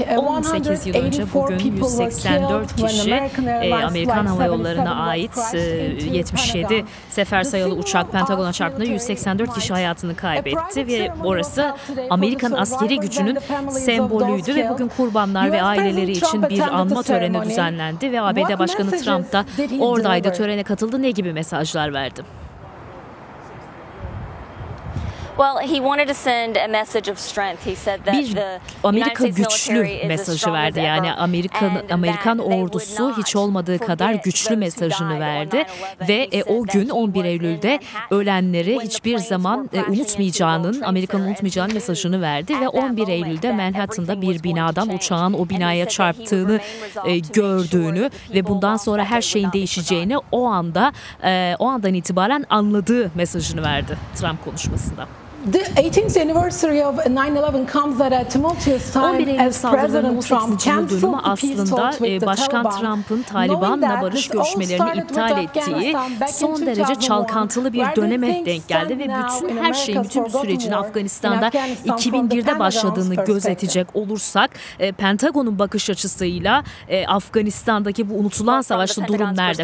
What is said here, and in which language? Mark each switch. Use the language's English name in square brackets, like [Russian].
[Turkish] 18 yıl önce bugün 184 kişi Amerikan Hava Yolları'na ait 77 sefer sayılı uçak Pentagon'a çarptığında 184 kişi hayatını kaybetti ve orası Amerikan askeri gücünün sembolüydü ve bugün kurbanlar ve aileleri için bir anma töreni düzenlendi ve ABD Başkanı Trump da oradaydı, törene katıldı. Ne gibi mesajlar verdi? [English] Well, he wanted to send a message of strength. He said that [Turkish] bir Amerika güçlü mesajı verdi. Yani Amerikan ordusu hiç olmadığı kadar güçlü mesajını verdi ve o gün 11 Eylül'de ölenleri hiçbir zaman unutmayacağının, Amerika'nın unutmayacağının mesajını verdi ve 11 Eylül'de Manhattan'da bir binadan uçağın o binaya çarptığını gördüğünü ve bundan sonra her şeyin değişeceğini o andan itibaren anladığı mesajını verdi Trump konuşmasında. [English] The 18th anniversary of 9/11 comes at a tumultuous time as President Trump canceled the peace talks with the [Turkish] Başkan Trump'ın Taliban'la barış görüşmelerini iptal ettiği son derece çalkantılı bir döneme denk geldi ve bütün bu sürecin Afganistan'da 2001'de başladığını gözetecek olursak Pentagon'un bakış açısıyla Afganistan'daki bu unutulan savaşta durum nerede?